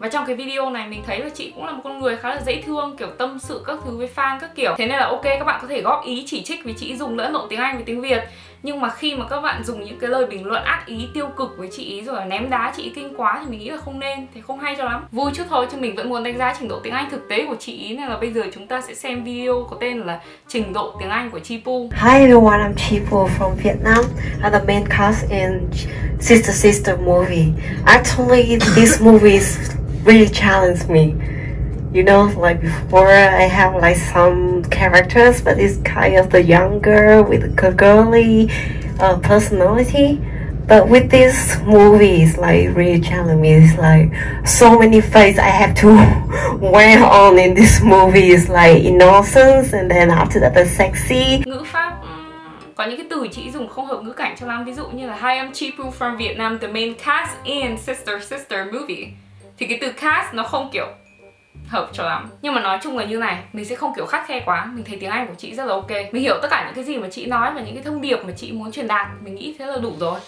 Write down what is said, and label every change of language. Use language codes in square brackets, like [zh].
[vi] Và trong cái video này mình thấy là chị cũng là một con người khá là dễ thương, kiểu tâm sự các thứ với fan các kiểu. Thế nên là ok, các bạn có thể góp ý chỉ trích vì chị dùng lẫn lộn tiếng Anh với tiếng Việt, Nhưng mà khi mà các bạn dùng những cái lời bình luận ác ý, tiêu cực với chị ý rồi là ném đá chị ý kinh quá thì mình nghĩ là không nên, thì không hay cho lắm. Vui chút thôi, chứ mình vẫn muốn đánh giá trình độ tiếng Anh thực tế của chị ý, nên là bây giờ chúng ta sẽ xem video có tên là Trình độ tiếng Anh của Chipu. [en] Hi everyone, I'm Chipu from Vietnam. I'm the main cast in Sister Sister movie. Actually, this movie really challenged me. You know, like before I have like some characters, but it's kind of the young girl with a girly personality. But with this movie, it's like really challenging me. It's like so many faces I have to wear on in this movie. It's like innocence and then after that the sexy. [vi] Ngữ pháp có những cái từ chị dùng không hợp ngữ cảnh cho lắm. Ví dụ như là [en] Hi, I'm Chipu from Vietnam, the main cast in Sister Sister movie. [vi] Thì cái từ cast nó không kiểu hợp cho lắm. Nhưng mà nói chung là như này, mình sẽ không kiểu khắt khe quá. Mình thấy tiếng Anh của chị rất là ok. Mình hiểu tất cả những cái gì mà chị nói và những cái thông điệp mà chị muốn truyền đạt. Mình nghĩ thế là đủ rồi.